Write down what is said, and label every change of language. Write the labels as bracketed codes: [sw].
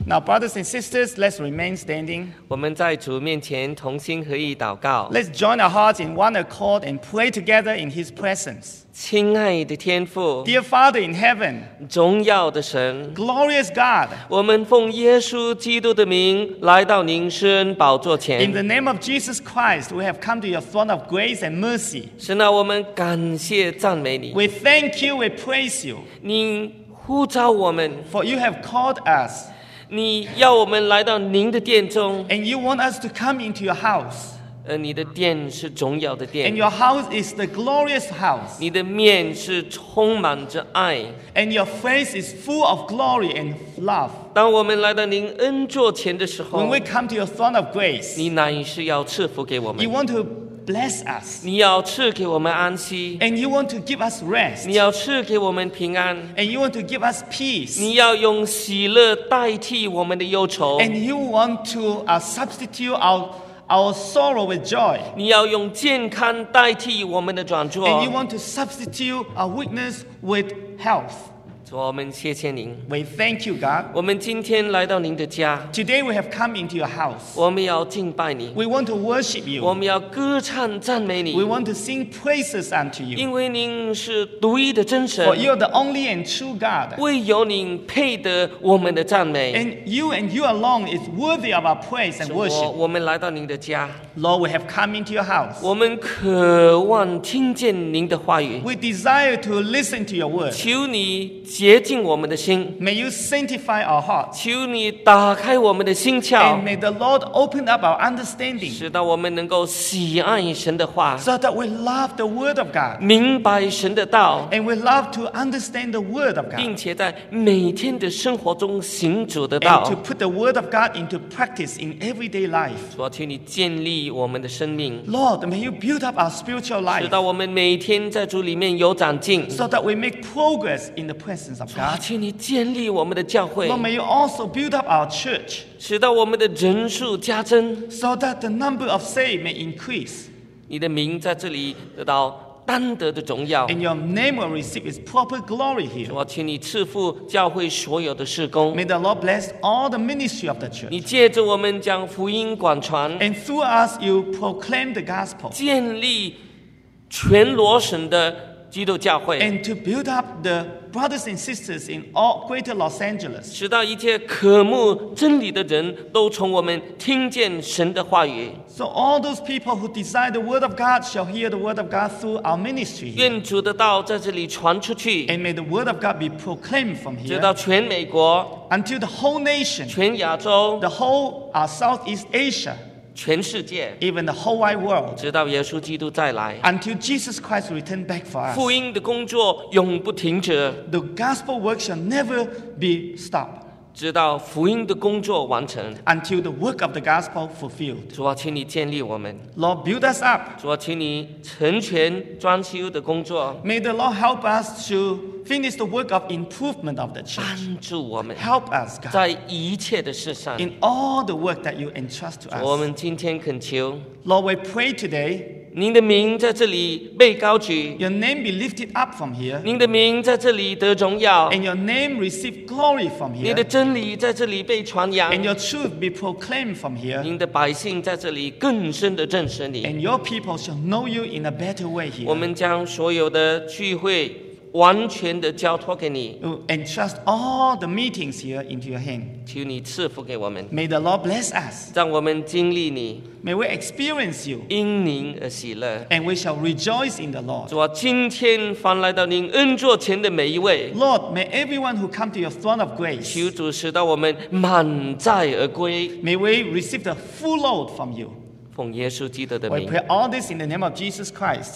[en] Now, brothers and sisters, let's remain standing. [zh] 我们在主面前同心合意祷告。 [en] Let's join our hearts in one accord and pray together in His presence. [zh] 亲爱的天父。 [en] Dear Father in heaven. [zh] 荣耀的神。 [en] Glorious God. [zh] 我们奉耶稣基督的名来到您施恩宝座前。 [en] In the name of Jesus Christ, we have come to your throne of grace and mercy. [zh] 神啊，我们感谢赞美你。 [en] We thank you. We praise you. [zh] 您呼召我们。 [en] For you have called us. [zh] 你要我们来到您的殿中。 [en] And you want us to come into your house. [zh] 你的殿是荣耀的殿。 [en] And your house is the glorious house. [zh] 你的面是充满着爱。 [en] And your face is full of glory and love. [zh] 当我们来到您恩座前的时候。 [en] When we come to your throne of grace. [zh] 你乃是要赐福给我们。 [en] You want to bless us. [zh] 你要赐给我们安息。 [en] And you want to give us rest. [zh] 你要赐给我们平安。 [en] And you want to give us peace. [zh] 你要用喜乐代替我们的忧愁。 [en] And you want to substitute our sorrow with joy. [zh] 你要用健康代替我们的软弱。 [en] And you want to substitute our weakness with health. [zh] 主，我们谢谢您。 [en] We thank you, God. [zh] 我们今天来到您的家。 [en] Today we have come into your house. [zh] 我们要敬拜你。 [en] We want to worship you. [zh] 我们要歌唱赞美你。 [en] We want to sing praises unto you. [zh] 因为您是独一的真神。 [en] For you are the only and true God. [zh] 唯有您配得我们的赞美。 [en] And you alone is worthy of our praise and worship. [zh] 我们来到您的家。 [en] Lord, we have come into your house. [zh] 我们渴望听见您的话语。 [en] We desire to listen to your word. [zh] 求你洁净我们的心。 [en] May you sanctify our heart. [zh] 求你打开我们的心窍。 [en] And may the Lord open up our understanding. [zh] 使到我们能够喜爱神的话。 [en] So that we love the word of God. [zh] 明白神的道。 [en] And we love to understand the word of God. [zh] 并且在每天的生活中行主的道。 [en] And to put the word of God into practice in everyday life. [zh] 主啊，求你建立我们的生命。 [en] Lord, may you build up our spiritual life. [zh] 使到我们每天在主里面有长进。 [en] So that we make progress in the presence of God. [zh] 求你建立我们的教会。 [en] Lord, may you also build up our church. [zh] 使到我们的人数加增。 [en] So that the number of saved may increase. [zh] 你的名在这里得到单得的荣耀。 [en] And your name will receive its proper glory here. [zh] 主啊，请你赐福教会所有的事工。 [en] May the Lord bless all the ministry of the church. [zh] 你借着我们将福音广传。 [en] And through us you proclaim the gospel. [zh] 建立全罗省的基督教会。 [en] And to build up the brothers and sisters in all greater Los Angeles. [zh] 使到一切渴慕真理的人都从我们听见神的话语。 [en] So all those people who desire the word of God shall hear the word of God through our ministry. [zh] 愿主的道在这里传出去。 [en] And may the word of God be proclaimed from here. [zh] 直到全美国。 [en] Until the whole nation. [zh] 全亚洲。 [en] The whole Southeast Asia. [zh] 全世界。 [en] Even the whole wide world. [zh] 直到耶稣基督再来。 [en] Until Jesus Christ returns back for us. [zh] 福音的工作永不停止。 [en] The gospel work shall never be stopped. [zh] 直到福音的工作完成。 [en] Until the work of the gospel fulfilled. [zh] 主啊，请你建立我们。 [en] Lord, build us up. [zh] 主啊，请你成全装修的工作。 [en] May the Lord help us to finish the work of improvement of the church. [zh] 帮助我们。 [en] Help us, God. [zh] 在一切的事上。 [en] In all the work that you entrust to us. [zh] 我们今天恳求。 [en] Lord, we pray today. [zh] 您的名在这里被高举。 [en] Your name be lifted up from here. [zh] 您的名在这里得荣耀。 [en] And your name receive glory from here. [zh] 您的真理在这里被传扬。 [en] And your truth be proclaimed from here. [zh] 您的百姓在这里更深地认识你。 [en] And your people shall know you in a better way here. [zh] 我们将所有的聚会完全的交托给你。 [en] And trust all the meetings here into your hand. [zh] 求你赐福给我们。 [en] May the Lord bless us. [zh] 让我们经历你。 [en] May we experience you. [zh] 因您而喜乐。 [en] And we shall rejoice in the Lord. [zh] 主啊，今天凡来到您恩座前的每一位。 [en] Lord, may everyone who come to your throne of grace. [zh] 求主使到我们满载而归。 [en] May we receive the full load from you. [zh] 奉耶稣基督的名。 [en] We pray all this in the name of Jesus Christ.